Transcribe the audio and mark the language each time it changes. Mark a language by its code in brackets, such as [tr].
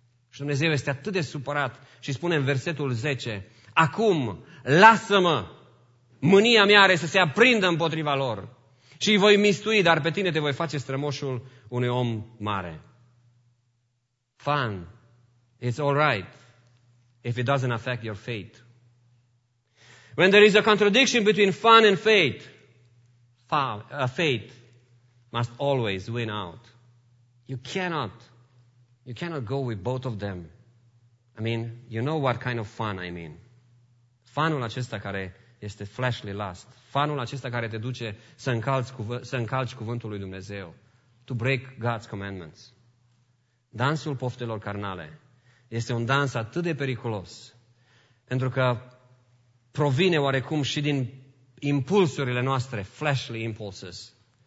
[ro] Și Dumnezeu este atât de supărat și spune în versetul 10, acum, lasă-mă, mânia mea are să se aprindă împotriva lor și îi voi mistui, dar pe tine te voi face strămoșul unui om mare. [en] Fun, it's all right if it doesn't affect your faith. When there is a contradiction between fun and faith, faith must always win out. You cannot go with both of them. I mean, you know what kind of fun I mean. [ro] Fanul acesta care este fleshly lust. Fanul acesta care te duce să încalci cuvântul lui Dumnezeu. [en] To break God's commandments. [ro] Dansul poftelor carnale este un dans atât de periculos. Pentru că provine oarecum și din impulsurile noastre, fleshly impulses.